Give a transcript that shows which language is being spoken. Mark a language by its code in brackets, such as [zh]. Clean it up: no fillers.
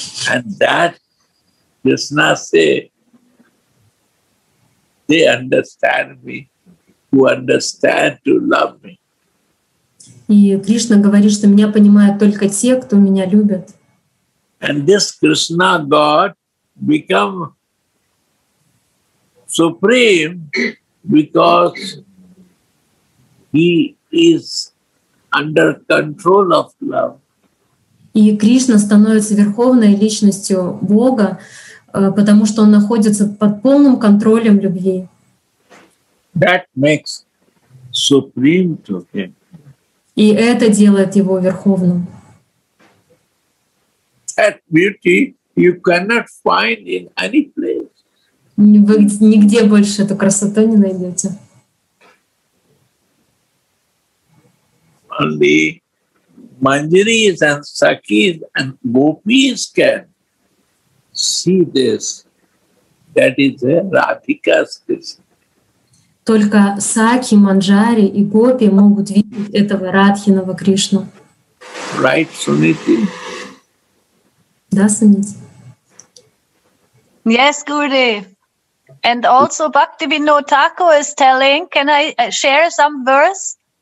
[en] And that Krishna say, they understand me, who understand to love me. [ru] И Кришна говорит, что меня понимают только те, кто меня любят. [en] And this Krishna God become supreme because he is under control of love. [ru] И Кришна становится верховной личностью Бога, потому что он находится под полным контролем любви. [en] That makes supreme to him. [ru] И это делает его верховным. [en] That beauty you cannot find in any place. [ru] Вы нигде больше эту красоту не найдете. [en] Only Manjaris and Sakis and Gopis can see this. That is Radhika's Krishna. [ru] Только Саки, Манджари и Гопи могут видеть этого Радхиного Кришну. [en] Right, Suniti? [ru] Да, Suniti. [en] Yes, Gurudev. And also Bhaktivinoda Thakur is telling, can I share some verse?